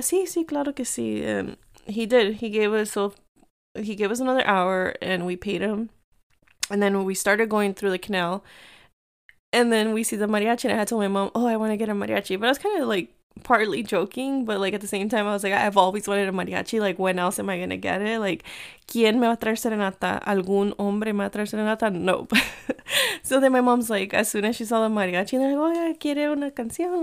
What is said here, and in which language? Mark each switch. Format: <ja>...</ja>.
<es>Sí, sí, claro que sí.</es> <en>And he did. He gave us another hour and we paid him. And then we started going through the canal and then we see the mariachi and I had told my mom, oh, I want to get a mariachi. But I was kind of like partly joking, but like at the same time, I was like, I've always wanted a mariachi. Like, when else am I going to get it?</en> <es>Like, ¿quién me va a traer serenata? ¿Algún hombre me va a traer serenata?</es> <en>Nope. So then my mom's like, as soon as she saw the mariachi, they're like, oh, yeah,</en> <es>¿quiere una canción?</es>